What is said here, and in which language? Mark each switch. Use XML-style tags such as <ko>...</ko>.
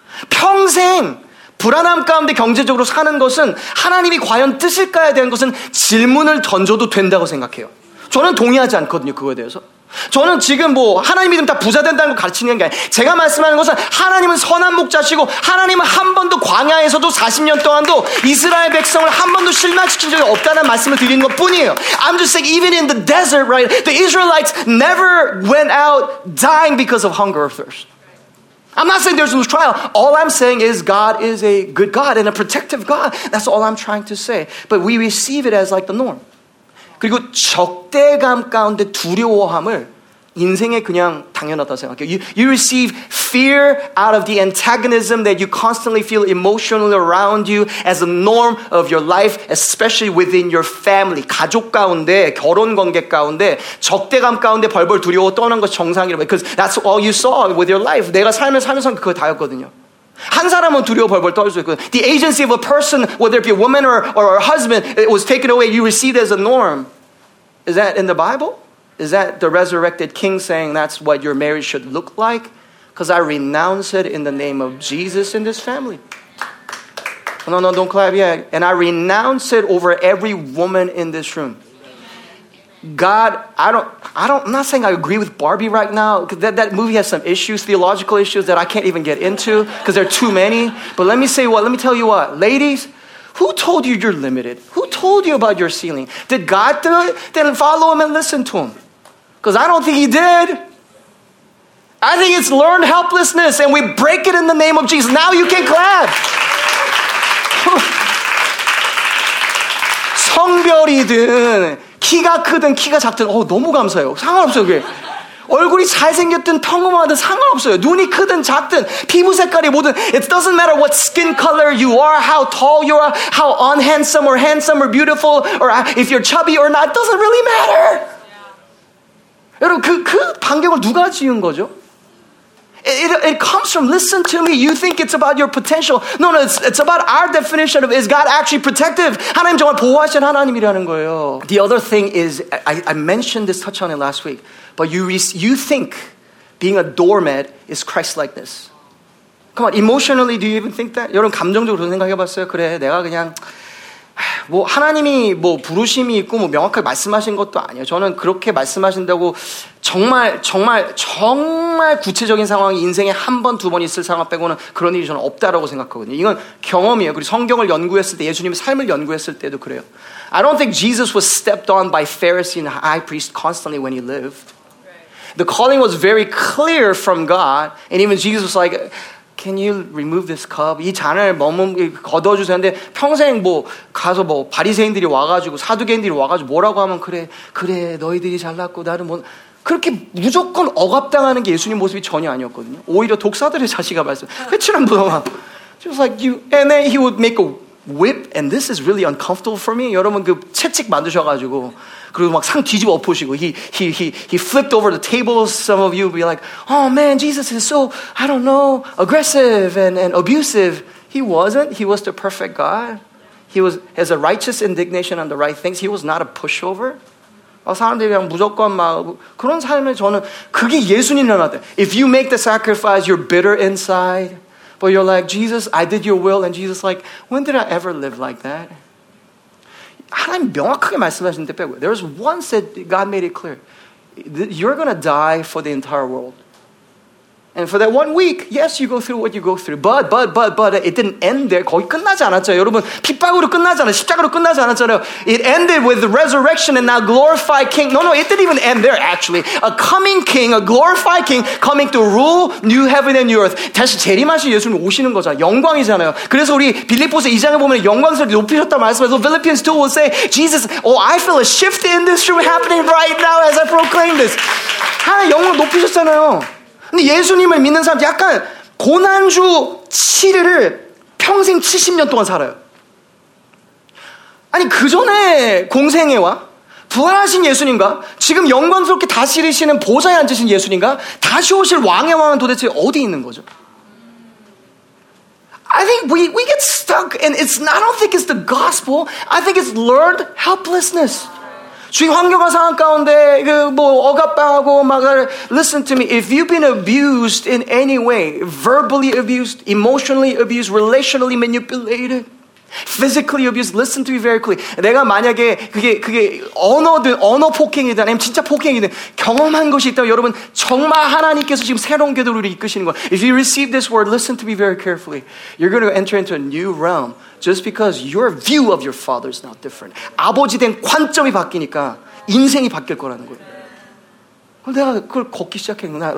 <ko>평생 불안함 가운데 경제적으로 사는 것은 하나님이 과연 뜻일까에 대한 것은 질문을 던져도 된다고 생각해요. 저는 동의하지 않거든요, 그거에 대해서. 저는 지금 뭐 하나님 믿으면 다 부자 된다는 걸 가르치는 게 아니에요. 제가 말씀하는 것은 하나님은 선한 목자시고 하나님은 한 번도 광야에서도 40년 동안도 이스라엘 백성을 한 번도 실망시킨 적이 없다는 말씀을 드리는 것 뿐이에요.</ko> <en>I'm just saying even in the desert, right? The Israelites never went out dying because of hunger or thirst. I'm not saying there's no trial. All I'm saying is God is a good God and a protective God. That's all I'm trying to say. But we receive it as like the norm.</en> <ko>그리고 적대감 가운데 두려워함을 인생에 그냥 당연하다고 생각해요.</ko> <en>You receive fear out of the antagonism that you constantly feel emotionally around you as a norm of your life, especially within your family.</en> <ko>가족 가운데, 결혼 관계 가운데, 적대감 가운데 벌벌 두려워 떠는 것이 정상이라고 해요.</ko> <en>Because that's all you saw with your life.</en> <ko>내가 삶을 살면서 그거 다였거든요. 한 사람은 두려워 벌벌 떨 수 있거든.</ko> <en>The agency of a person, whether it be a woman or a husband, it was taken away. You received as a norm. Is that in the Bible? Is that the resurrected king saying that's what your marriage should look like? Because I renounce it in the name of Jesus in this family. No, no, don't clap yet. And I renounce it over every woman in this room. God, I'm not saying I agree with Barbie right now, because that movie has some issues, theological issues that I can't even get into because there are too many. But let me tell you what. Ladies, who told you you're limited? Who told you about your ceiling? Did God do it? Then follow him and listen to him. Because I don't think he did. I think it's learned helplessness, and we break it in the name of Jesus. Now you can clap.</en> <ko>성별이든 키가 크든 키가 작든 너무 감사해요. 상관없어요 그게. 얼굴이 잘생겼든 평범하든 상관없어요. 눈이 크든 작든 피부 색깔이 뭐든</ko> <en>It doesn't matter what skin color you are, how tall you are, how unhandsome or handsome or beautiful, or if you're chubby or not, it doesn't really matter. Yeah.</en> <ko>여러분 그 반경을 누가 지은 거죠?</ko> <en>It comes from, listen to me, you think it's about your potential. No, no, it's about our definition of, is God actually protective?</en> <ko>하나님 정말 보호하신 하나님이라는 거예요.</ko> <en>The other thing is, I mentioned this, touch on it last week, but you think being a doormat is Christ-likeness. Come on, emotionally, do you even think that?</en> <ko>여러분, 감정적으로 생각해봤어요? 그래, 내가 그냥, 뭐 하나님이 뭐 부르심이 있고 뭐 명확하게 말씀하신 것도 아니에요. 저는 그렇게 말씀하신다고 정말 정말 정말 구체적인 상황이 인생에 한 번 두 번 있을 상황 빼고는 그런 일이 저는 없다라고 생각하거든요. 이건 경험이에요. 그리고 성경을 연구했을 때 예수님의 삶을 연구했을 때도 그래요.</ko> <en>I don't think Jesus was stepped on by Pharisees and high priests constantly when he lived. The calling was very clear from God, and even Jesus was like, Can you remove this cup?</en> <ko>이 잔을 걷어주세요. 근데 평생 뭐 가서 뭐 바리새인들이 와가지고 사두개인들이 와가지고 뭐라고 하면 그래 너희들이 잘났고 나는 뭐 그렇게 무조건 억압당하는 게 예수님 모습이 전혀 아니었거든요. 오히려 독사들의 자식이 말씀. 회칠한 부담아.</ko> <en>Just like you, and then he would make a whip, and this is really uncomfortable for me.</en> <ko>여러분 그 채찍 만드셔가지고. 그리고 막 상 뒤집어 엎으시고</ko> <en>he flipped over the tables. Some of you would be like, oh man, Jesus is so, I don't know, aggressive and abusive. He wasn't. He was the perfect God. He was has a righteous indignation on the right things. He was not a pushover.</en> <ko>사람들이 그냥 무조건 막 그런 삶을 저는 그게 예수님이란 말이야.</ko> <en>If you make the sacrifice, you're bitter inside, but you're like, Jesus, I did your will. And Jesus is like, when did I ever live like that?</en> <ko>하나님 명확하게 말씀하신 데 빼고</ko> <en>There was one said God made it clear You're gonna die for the entire world And for that one week Yes, you go through what you go through But it didn't end there</en> <ko>거기 끝나지 않았잖아요 여러분 핍박으로 끝나지 않아 십자가로 끝나지 않았잖아요</ko> <en>It ended with the resurrection and now glorified king No, it didn't even end there actually A coming king, a glorified king coming to rule new heaven and new earth</en> <ko>다시 재림하신 예수님 오시는 거잖아요 영광이잖아요 그래서 우리 빌립보서 2장에 보면 영광스럽게 높이셨다 말씀하셔서</ko> <en>Philippians 2 will say Jesus, oh I feel a shift in this room happening right now as I proclaim this</en> <ko>하나님 영광 높이셨잖아요 근데 예수님을 믿는 사람 약간 고난주 7일을 평생 70년 동안 살아요. 아니 그 전에 공생애와 부활하신 예수님과 지금 영광스럽게 다시 이르시는 보좌에 앉으신 예수님과 다시 오실 왕의 왕은 도대체 어디 있는 거죠?</ko> <en>I think we get stuck and it's not, I don't think it's the gospel. I think it's learned helplessness.</en> <ko>지금 환경과 상황 가운데 그 뭐 억압하고 막</ko> <en>listen to me. If you've been abused in any way, verbally abused, emotionally abused, relationally manipulated, physically abused, listen to me very clearly.</en> <ko>내가 만약에 그게 언어든 언어 폭행이든 아니면 진짜 폭행이든 경험한 것이 있다면 여러분 정말 하나님께서 지금 새로운 궤도를 이끄시는 거.</ko> <en>If you receive this word, listen to me very carefully. You're going to enter into a new realm. Just because your view of your father is not different.</en> <ko>아버지 된 관점이 바뀌니까 인생이 바뀔 거라는 거예요. 그럼 내가 그걸 걷기 시작했구나.</ko>